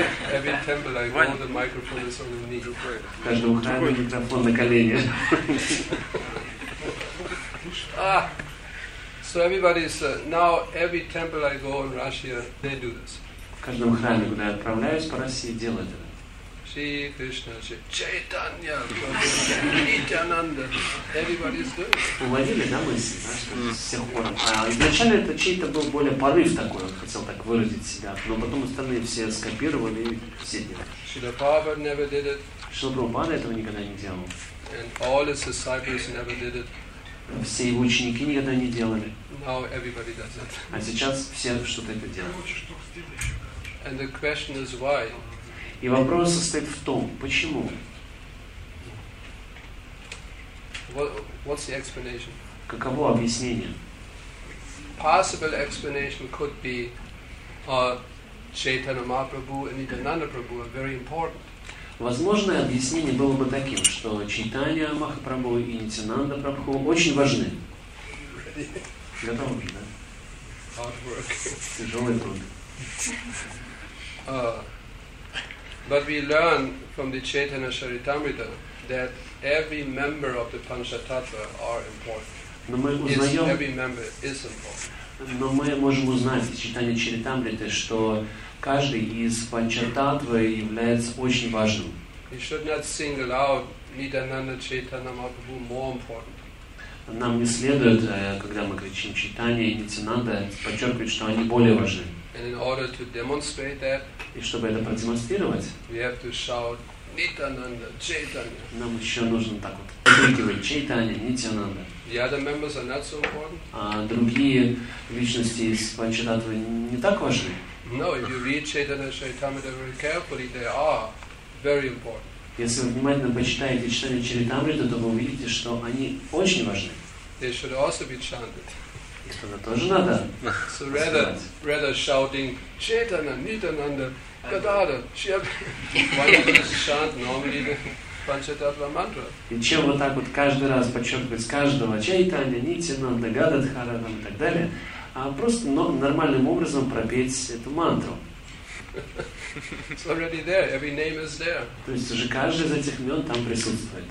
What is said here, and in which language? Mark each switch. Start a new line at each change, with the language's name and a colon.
English: Every temple I go, the microphone is on the knee.
Russian: Каждый украинский микрофон на колене.
English: So everybody is now every temple I go in Russia, they do this.
Russian: В каждом храме, куда я отправляюсь по России, делают это.
Sanskrit: Shri Krishna, Shri Chaitanya, Nityananda.
English: Everybody is doing.
Russian: Уловили, да, мысли, да, что все хором. А изначально это чей-то был более порыв такой, он хотел так выразить себя, но потом остальные все скопировали и все делали.
English: Shri Prabhupada never did it.
Russian: Shri Prabhupada этого никогда не делал.
English: And all his disciples never did it.
Russian: Все его ученики никогда не делали.
English: Now everybody does it.
Russian: А сейчас все что-то это делают.
English: And the question is why?
Russian: И вопрос состоит в том, почему?
English: What's the explanation?
Russian: Каково объяснение?
English: Possible explanation could be Chaitanya Mahaprabhu and Nityananda Prabhu are very important.
Russian: Возможное объяснение было бы таким, что Чайтанья Махапрабху и Нитянанда Прабху очень важны. Готовы, да?
English: Hard work.
Russian: Тяжелый труд.
English: But we learn from the Chaitanya Charitamrita that every member of the Panchatattva are important.
Russian: Но мы можем узнать из Чайтанья Чаритамриты, что каждый из Панчататвы является очень важным.
English: We should not single out Nityananda Chaitanya Mahaprabhu more important.
Russian: Нам не следует, когда мы кричим Чайтанья и Нитянанда, подчеркивать, что они более важны.
English: And in order to demonstrate that,
Russian: и чтобы это продемонстрировать,
English: we have to shout Nitananda Chaitanya.
Russian: Нам еще нужно так вот крикивать Чайтанья, Нитянанда.
English: The other members are not so important.
Russian: А другие личности из Панчататвы не так важны.
English: No, if you read Chaitanya Charitamrita very carefully, they are very important.
Russian: Если вы внимательно почитаете Чайтанья Чаритамриту, то вы увидите, что они очень важны.
English: They should also be chanted.
Russian: Это тоже надо.
English: So rather shouting Chaitanya, Nityananda, Gadadhar, Shri. Why don't you just chant normally?
Russian: Панчататва мантра. И чем вот так вот каждый раз подчеркивать с каждого чайтанья, нитянанда, гададхара и так далее, а просто нормальным образом пропеть эту мантру.
English: It's already there. Every name is there.
Russian: То есть уже каждый из этих имен там присутствует.